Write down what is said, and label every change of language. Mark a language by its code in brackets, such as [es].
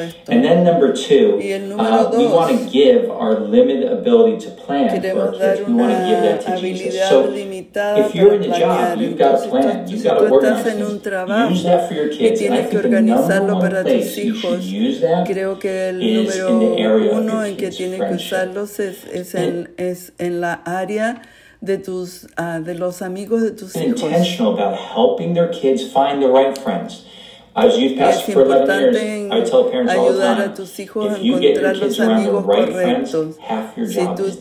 [en] And then number two, we want to give our limited ability to plan for our kids. We want to give that to Jesus. So if you're in a job, you've got to plan, you've got to organize things. Use that for your kids. And I think the number one place you should use that is in the area of [es] en que tienes que usarlos es en la área de tus de los amigos de tus hijos. [en] Intentional about helping their kids find the right friends. As youth pastor for 11 years, I tell parents all the time, if you get your kids around the right friends, half your job